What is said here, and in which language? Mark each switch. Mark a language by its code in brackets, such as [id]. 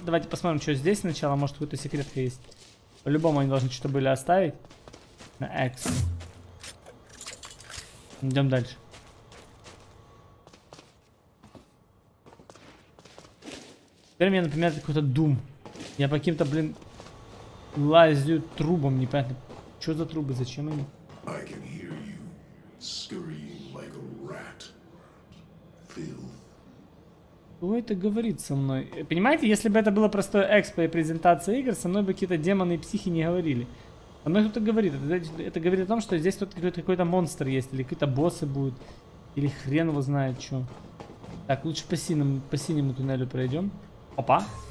[ru] Давайте посмотрим, что здесь сначала, может, какой-то секрет есть. По-любому они должны что-то были оставить. На X. Идем дальше. Теперь мне напоминает какой-то дум. Я по каким-то, блин, лазю трубам, непонятно. Что за трубы, зачем они? [en] I can hear you scurrying like a rat. Filth. [ru] Кто это говорит со мной? Понимаете, если бы это было простое экспо и презентация игр, со мной бы какие-то демоны и психи не говорили. Со мной кто-то говорит. Это говорит о том, что здесь тут какой-то монстр есть, или какие-то боссы будут, или хрен его знает что. Так, лучше по синему туннелю пройдем. Опа.